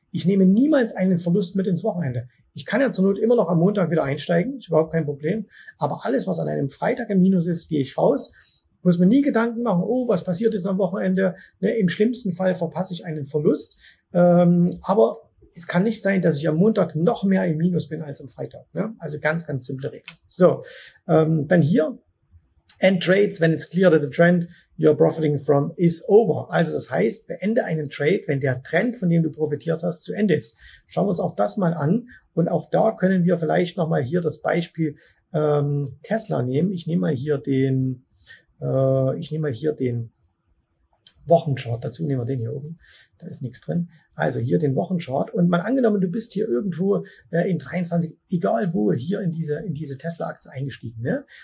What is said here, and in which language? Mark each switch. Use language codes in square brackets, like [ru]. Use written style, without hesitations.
[de] Ich nehme niemals einen Verlust mit ins Wochenende. Ich kann ja zur Not immer noch am Montag wieder einsteigen, ist überhaupt kein Problem. Aber alles, was an einem Freitag im Minus ist, gehe ich raus. Muss mir nie Gedanken machen, oh, was passiert jetzt am Wochenende? Ne, im schlimmsten Fall verpasse ich einen Verlust. Aber es kann nicht sein, dass ich am Montag noch mehr im Minus bin als am Freitag. Ne? Also ganz, ganz simple Regel. So, dann hier, [en] end trades when it's clear that the trend you're profiting from is over. [de] Also das heißt, beende einen Trade, wenn der Trend, von dem du profitiert hast, zu Ende ist. Schauen wir uns auch das mal an. Und auch da können wir vielleicht nochmal hier das Beispiel Tesla nehmen. Ich nehme mal hier den Wochenchart dazu, nehmen wir den hier oben, da ist nichts drin, also hier den Wochenchart und mal angenommen, du bist hier irgendwo in 23, egal wo, hier in diese Tesla-Aktie eingestiegen, ne?